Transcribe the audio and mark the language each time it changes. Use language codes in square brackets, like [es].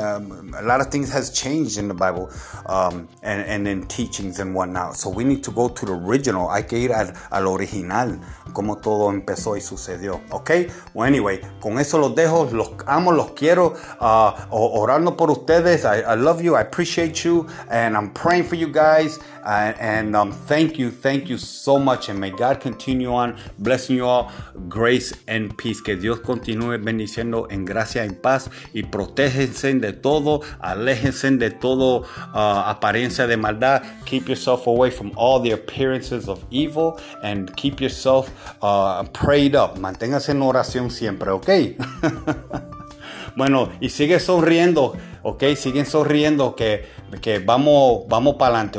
[en] A lot of things has changed in the Bible and in teachings and whatnot. So we need to go to the original. [es] Hay que ir al original, como todo empezó y sucedió, okay? [en] Well, anyway, [es] con eso los dejo. Los amo, los quiero. Orando por ustedes. [en] I love you. I appreciate you. And I'm praying for you guys. And thank you so much, and may God continue on blessing you all, grace and peace. [es] Que Dios continúe bendiciendo en gracia y paz, y protéjense de todo, aléjense de todo apariencia de maldad. [en] Keep yourself away from all the appearances of evil, and keep yourself prayed up. [es] Manténgase en oración siempre, ok. Bueno, y sigue sonriendo, ok, siguen sonriendo, que vamos para adelante.